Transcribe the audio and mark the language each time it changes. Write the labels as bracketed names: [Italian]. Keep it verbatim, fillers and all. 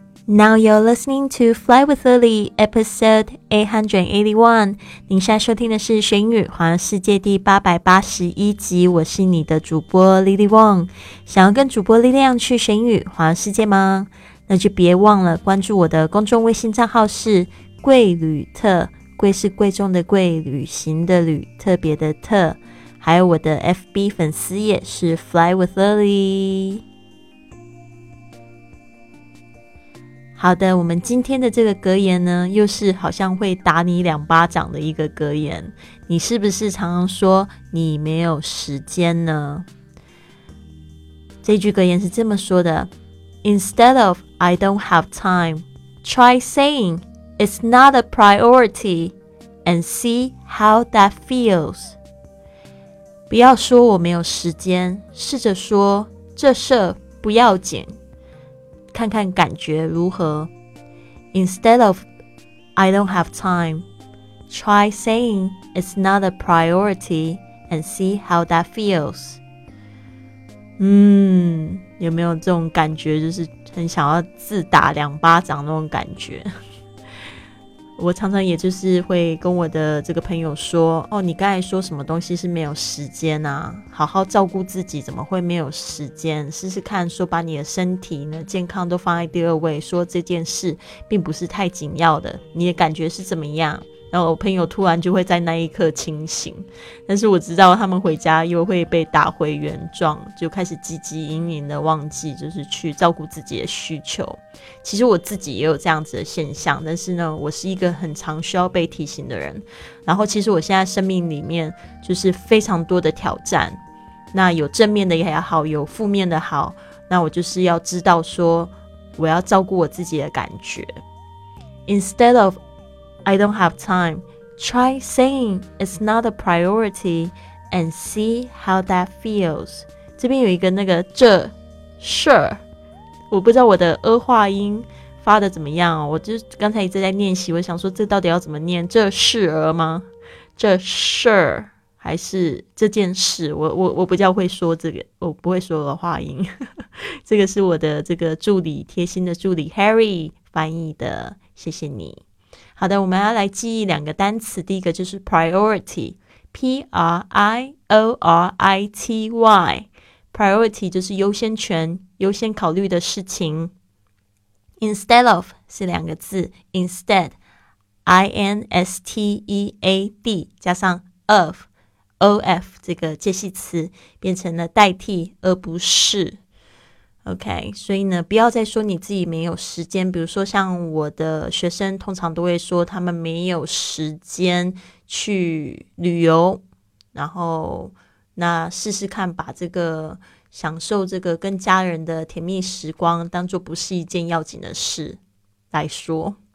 [English] Now you're listening to Fly with Lily, episode eight eighty-one. [Chinese] 您现在收听的是学英语环游世界第 [English] eight eighty-one [Chinese] 集，我是你的主播 Lily Wong。想要跟主播力量去学英语环游世界吗？那就别忘了关注我的公众微信账号是贵旅特，贵是贵重的贵，旅行的旅，特别的特。还有我的 F B 粉丝页是 Fly with Lily。好的，我们今天的这个格言呢，又是好像会打你两巴掌的一个格言。你是不是常常说你没有时间呢？这句格言是这么说的 [English] ：Instead of I don't have time, try saying it's not a priority and see how that feels. [Chinese] 不要说我没有时间，试着说这事不要紧。看看感觉如何 [English] Instead of I don't have time, try saying it's not a priority and see how that feels. [Chinese] 嗯，有没有这种感觉，就是很想要自打两巴掌那种感觉？我常常也就是会跟我的这个朋友说，哦，你刚才说什么东西是没有时间啊，好好照顾自己怎么会没有时间，试试看说把你的身体呢健康都放在第二位，说这件事并不是太紧要的，你的感觉是怎么样？然后我朋友突然就会在那一刻清醒，但是我知道他们回家又会被打回原状，就开始汲汲营营的忘记就是去照顾自己的需求。其实我自己也有这样子的现象，但是呢我是一个很常需要被提醒的人，然后其实我现在生命里面就是非常多的挑战，那有正面的也好，有负面的好，那我就是要知道说我要照顾我自己的感觉。 [English] Instead of I don't have time, try saying it's not a priority and see how that feels. [Chinese] 这边有一个那个这事儿，我不知道我的呃化音发的怎么样、哦、我就刚才一直在练习，我想说这到底要怎么念，这事儿吗？这事儿还是这件事？我我我比较会说这个，我不会说我的化音这个是我的这个助理，贴心的助理 Harry 翻译的，谢谢你。好的，我们要来记忆两个单词，第一个就是 priority, P R I O R I T Y, priority 就是优先权，优先考虑的事情。 Instead of 是两个字， instead, I N S T E A D 加上 of, O F 这个介系词变成了代替而不是。 OK， 所以呢不要再说你自己没有时间，比如说像我的学生通常都会说他们没有时间去旅游，然后那试试看把这个享受这个跟家人的甜蜜时光当作不是一件要紧的事来说，